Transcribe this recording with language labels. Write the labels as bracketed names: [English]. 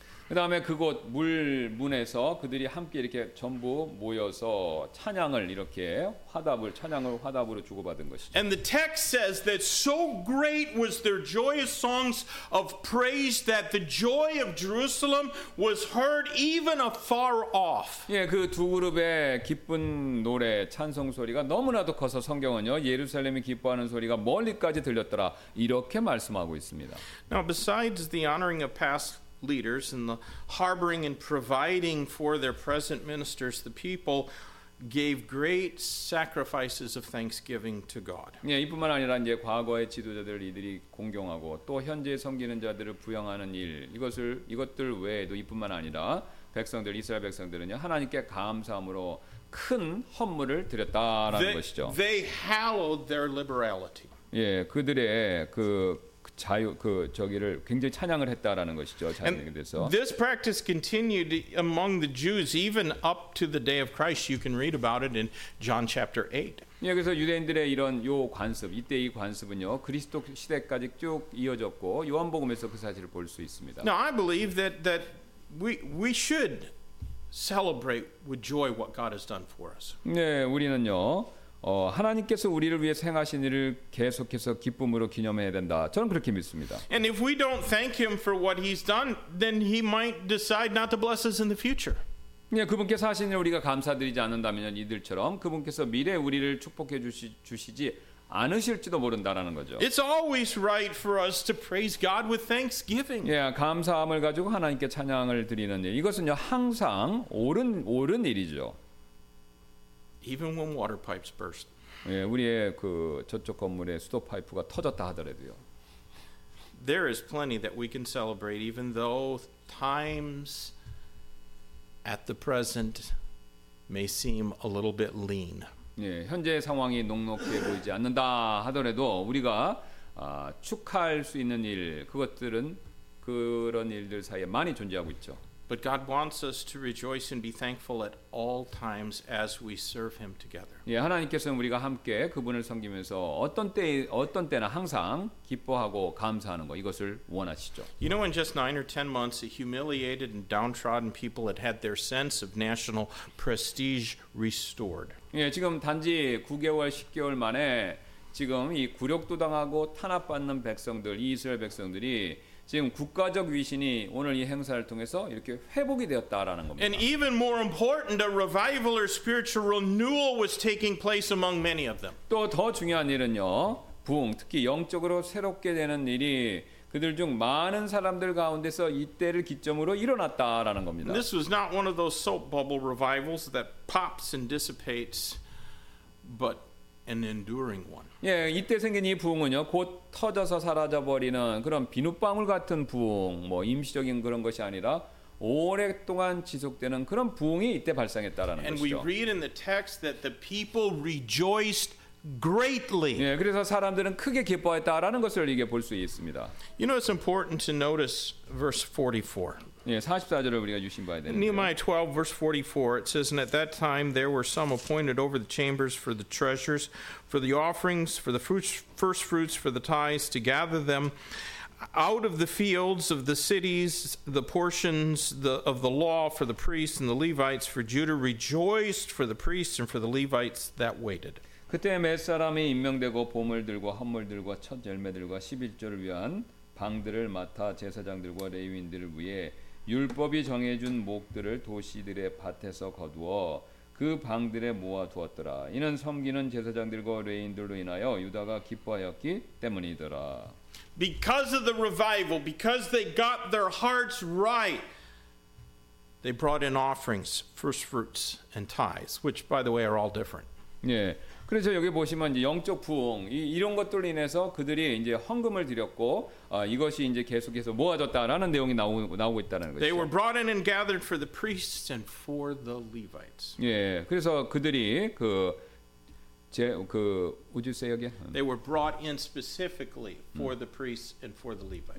[Korean] 그다음에 그곳 물문에서 그들이 함께 이렇게 전부 모여서 찬양을 이렇게 화답을 찬양을 화답으로 주고받은 것이죠. [English] And the text says that so great was their joyous songs of praise that the joy of Jerusalem was heard even afar off. [Korean] 예, 그 두 그룹의 기쁜 노래 찬송 소리가 너무나도 커서 성경은요 예루살렘이 기뻐하는 소리가 멀리까지 들렸더라 이렇게 말씀하고 있습니다. [English] Now besides the honoring of past leaders and the harboring and providing for their present ministers, the people gave great sacrifices of thanksgiving to God. [Korean] 예, 이뿐만 아니라 이제 과거의 지도자들을 이들이 공경하고 또 현재 섬기는 자들을 부양하는 일 이것들 외에도 이뿐만 아니라 백성들 이스라엘 백성들은요 하나님께 감사함으로 큰 헌물을 드렸다라는 것이죠. [English] They hallowed their liberality. [Korean] 예, 그들의 그 자유 그 저기를 굉장히 찬양을 했다라는 것이죠. 자유에 대해서. [English] This practice continued among the Jews even up to the day of Christ. You can read about it in John chapter 8. [Korean] 예, 그래서 유대인들의 이런 요 관습, 이때 이 관습은요. 그리스도 시대까지 쭉 이어졌고 요한복음에서 그 사실을 볼 수 있습니다. [English] Now I believe that we should celebrate with joy what God has done for us. [Korean] 네, 우리는요. 하나님께서 우리를 위해 행하신 일을 계속해서 기쁨으로 기념해야 된다. 저는 그렇게 믿습니다. [English] And if we don't thank him for what he's done, then he might decide not to bless us in the future. [Korean] 예, 그분께서 하신 일을 우리가 감사드리지 않는다면 이들처럼 그분께서 미래에 우리를 축복해 주시지 않으실지도 모른다라는 거죠. [English] It's always right for us to praise God with thanksgiving. [Korean] 예, 감사함을 가지고 하나님께 찬양을 드리는 일. 이것은요 항상 옳은 일이죠. [English] Even when water pipes burst. [Korean] 예, 우리의 그 저쪽 건물에 수도 파이프가 터졌다 하더라도요. [English] There is plenty that we can celebrate, even though times at the present may seem a little bit lean. [Korean] 예, 현재 상황이 녹록해 보이지 않는다 하더라도 우리가 축하할 수 있는 일, 그것들은 그런 일들 사이에 많이 존재하고 있죠. [English] But God wants us to rejoice and be thankful at all times as we serve Him together. [Korean] 예, 하나님께서는 우리가 함께 그분을 섬기면서 어떤 때나 항상 기뻐하고 감사하는 거 이것을 원하시죠. [English] You know, in just 9 or 10 months, a humiliated and downtrodden people had had their sense of national prestige restored. [Korean] 예, 지금 단지 9개월, 10개월 만에 지금 이 굴욕도 당하고 탄압받는 백성들, 이스라엘 백성들이 지금 국가적 위신이 오늘 이 행사를 통해서 이렇게 회복이 되었다라는 겁니다. [English] And even more important, a revival or spiritual renewal was taking place among many of them. [Korean] 또 더 중요한 일은요, 부흥, 특히 영적으로 새롭게 되는 일이 그들 중 많은 사람들 가운데서 이때를 기점으로 일어났다라는 겁니다. [English] This was not one of those soap bubble revivals that pops and dissipates, but an enduring one. [Korean] 예, 이때 생긴 이 부흥은요, 곧 터져서 사라져 버리는 그런 비눗방울 같은 부흥, 뭐 임시적인 그런 것이 아니라 오랫동안 지속되는 그런 부흥이 이때 발생했다라는 [English] And we read in the text that the people rejoiced greatly. [Korean] 예, 그래서 사람들은 크게 기뻐했다라는 것을 이게 볼 수 있습니다. [English] You know, it's important to notice verse 44. [Korean] 예, 44절을 우리가 유심 봐야 되는데. [English] Nehemiah 12 verse 44 it says, and at that time there were some appointed over the chambers for the treasures, for the offerings, for the fruits, first fruits, for the tithes, to gather them out of the fields of the cities, the portions of the law for the priests and the Levites, for Judah rejoiced for the priests and for the Levites that waited. [Korean] 그때 몇 사람이 임명되고 보물 들고 헌물 들고 첫 열매들과 십일조를 위한 방들을 맡아 제사장들과 레위인들을 위해 율법이 정해준 목들을 도시들의 밭에서 거두어 그 방들에 모아 두었더라. 이는 섬기는 제사장들과 레인들로 인하여 유다가 기뻐하였기 때문이더라. [English] Because of the revival, because they got their hearts right, they brought in offerings, first fruits, and tithes, which, by the way, are all different. [Korean] 예, 그래서 여기 보시면 이제 영적 부흥 이런 것들 인해서 그들이 이제 헌금을 드렸고 이것이 이제 계속해서 모아졌다라는 내용이 나오고 있다는 거죠. [English] They were brought in and gathered for the priests and for the Levites. [Korean] 예, 그래서 그들이 그 [English] would you say again? They were brought in specifically for the priests and for the Levites.